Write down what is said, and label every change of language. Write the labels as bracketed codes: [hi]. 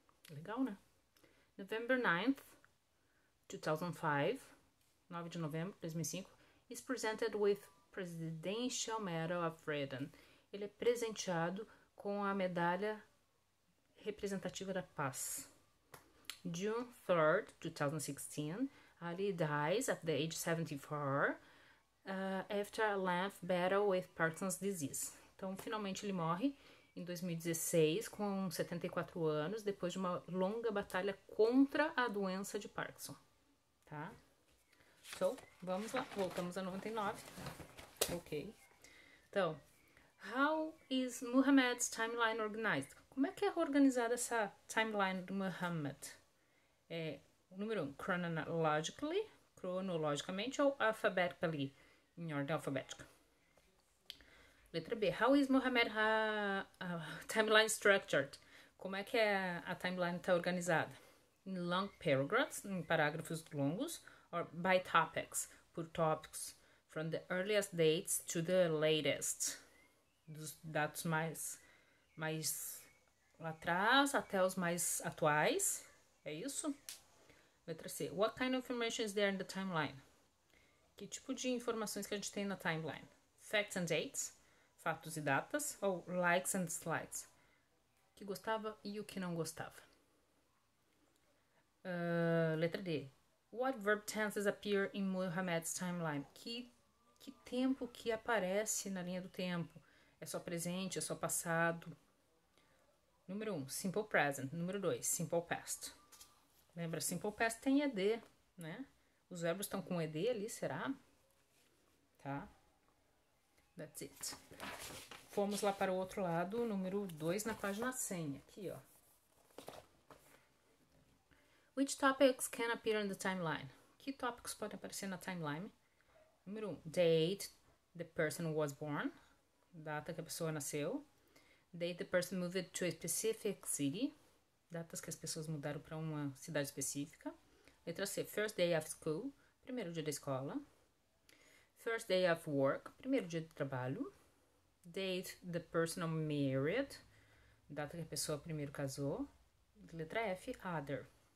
[pt] Legal, né? [en] November 9th, 2005, [pt] 9 de novembro de 2005, [en] is presented with Presidential Medal of Freedom. [pt] Ele é presenteado com a medalha representativa da paz. [en] June 3rd, 2016, Ali dies at the age 74, after a lengthy battle with Parkinson's disease. [pt] Então, finalmente ele morre em 2016, com 74 anos, depois de uma longa batalha contra a doença de Parkinson. Tá? Então, vamos lá, voltamos a 99. Ok. [en] Então, how is Muhammad's timeline organized? [pt] Como é que é organizada essa timeline do Muhammad? É, número 1, cronologicamente ou alfabetically? Em ordem alfabética. Letra B. [en] How is Muhammad timeline structured? [pt] Como é que a timeline está organizada? [en] In long paragraphs, [pt] em parágrafos longos, [en] or by topics, [pt] por tópicos, [en] from the earliest dates to the latest, [pt] dos dados mais lá atrás até os mais atuais. É isso? Letra C. [en] What kind of information is there in the timeline? [pt] Que tipo de informações que a gente tem na timeline? [en] Facts and dates, [pt] fatos e datas, ou [en] likes and dislikes? [pt] O que gostava e o que não gostava? [en] Letra D. What verb tenses appear in Muhammad's timeline? [pt] Que tempo que aparece na linha do tempo? É só presente, é só passado? Número 1, simple present. Número 2, simple past. Lembra, simple past tem ED, né? Os verbos estão com ED ali, será? Tá? [en] That's it. [pt] Fomos lá para o outro lado, número 2, na página 100, aqui, ó. [en] Which topics can appear in the timeline? [pt] Que tópicos podem aparecer na timeline? Número 1, [en] date the person was born. [pt] Data que a pessoa nasceu. [en] Date the person moved to a specific city. [pt] Datas que as pessoas mudaram para uma cidade específica. [en] Letra C, first day of school. [pt] Primeiro dia da escola. [en] First day of work. [pt] Primeiro dia de trabalho. [en] Date the person married. [pt] Data que a pessoa primeiro casou. Letra F, other.